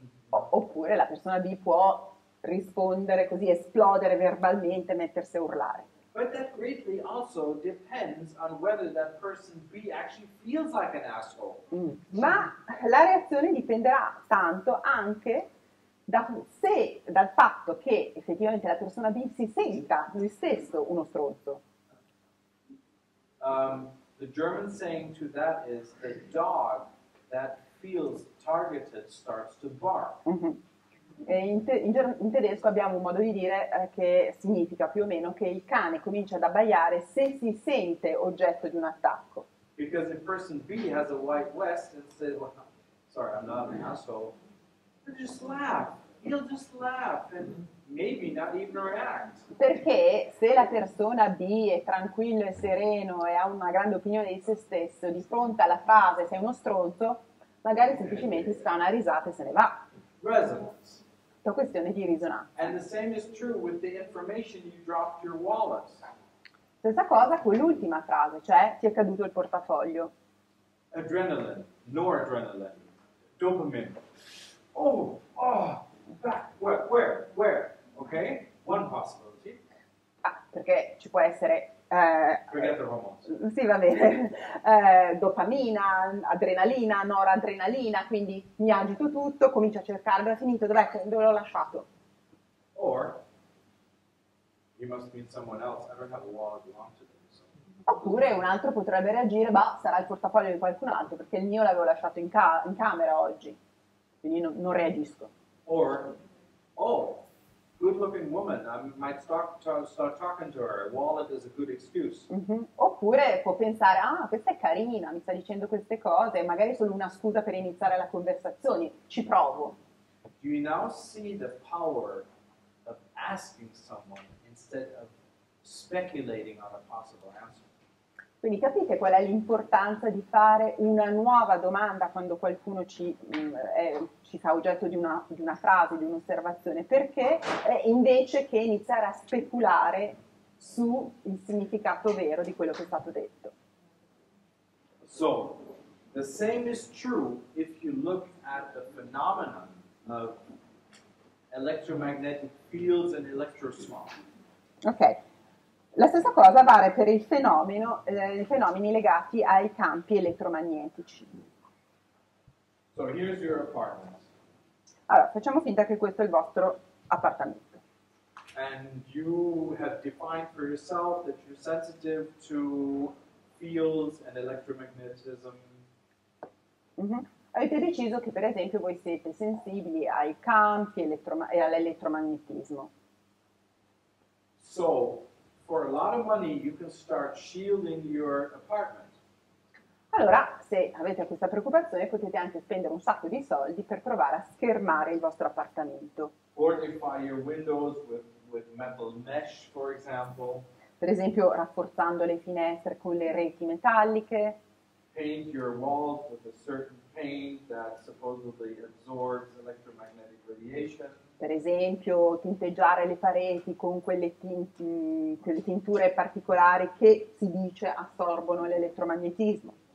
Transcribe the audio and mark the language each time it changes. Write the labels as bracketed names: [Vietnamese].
[Italian] Oppure la persona B può rispondere così, esplodere verbalmente, mettersi a urlare. [English] But that greatly also depends on whether that person B actually feels like an asshole. [Italian] Ma la reazione dipenderà tanto anche dal fatto che effettivamente la persona B si senta lui stesso uno stronzo. [English] The German saying to that is the dog that feels targeted starts to bark. [Italian] In tedesco abbiamo un modo di dire che significa più o meno che il cane comincia ad abbaiare se si sente oggetto di un attacco. [English] Because if person B has a white vest and says, well, sorry, I'm not an asshole, he'll just laugh and maybe not even react. [Italian] Perché se la persona B è tranquillo e sereno e ha una grande opinione di se stesso, di fronte alla frase sei uno stronzo, magari semplicemente si fa una risata e se ne va. È [English] Resonance. [Italian] questione di risonanza. [English] And the same is true with the information you dropped your wallet. [Italian] Stessa cosa con l'ultima frase, cioè ti è caduto il portafoglio. [English] Adrenaline, noradrenaline, dopamine. Oh, oh, back, where? Okay, one possibility. [Italian] Perché ci può essere, [English] Forget the hormones. [Italian] sì, va bene, dopamina, adrenalina, noradrenalina, quindi mi agito tutto, comincio a cercare, dove è finito, dov'è, dove l'ho lasciato? [English] Or, you must meet someone else. I don't have a wallet belong to them, so it doesn't [Italian] Oppure un [English] matter. [Italian] altro potrebbe reagire, bah, sarà il portafoglio di qualcun altro, perché il mio l'avevo lasciato in camera oggi, quindi non reagisco. [English] Or, oh, good looking woman, I might start talking to her. Wallet is a good excuse. [Italian] Oppure può pensare, ah, questa è carina, mi sta dicendo queste cose, magari è solo una scusa per iniziare la conversazione, ci provo. [English] Do you now see the power of asking someone instead of speculating on a possible answer? [Italian] Quindi capite qual è l'importanza di fare una nuova domanda quando qualcuno ci fa oggetto di una frase, di un'osservazione, perché invece che iniziare a speculare su il significato vero di quello che è stato detto. [English] So, the same is true if you look at the phenomenon of electromagnetic fields and electrosmog. [Italian] Ok, la stessa cosa vale per i fenomeni legati ai campi elettromagnetici. [English] So, here's your apartment. [Italian] Allora, facciamo finta che questo è il vostro appartamento. [English] and you have defined for yourself that you're sensitive to fields and electromagnetism. [Italian] Avete deciso che, per esempio, voi siete sensibili ai campi e all'elettromagnetismo. [English] So, for a lot of money, you can start shielding your apartment. [Italian] Allora, se avete questa preoccupazione, potete anche spendere un sacco di soldi per provare a schermare il vostro appartamento. [English] Fortify your windows with metal mesh, for example. [Italian] Per esempio, rafforzando le finestre con le reti metalliche. [English] Paint your walls with a certain paint that supposedly absorbs electromagnetic radiation. [Italian] Per esempio, tinteggiare le pareti con quelle tinture particolari che si dice assorbono l'elettromagnetismo.